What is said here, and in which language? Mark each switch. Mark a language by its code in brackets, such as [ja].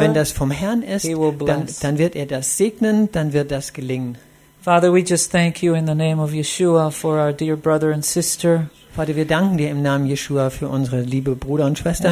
[de] wenn das vom Herrn ist, dann wird er das segnen, dann wird das gelingen. [en] Father, we just thank you in the name of Yeshua for our dear brother and sister. [de] Vater, wir danken dir im Namen Yeshua für unsere liebe Brüder und Schwestern.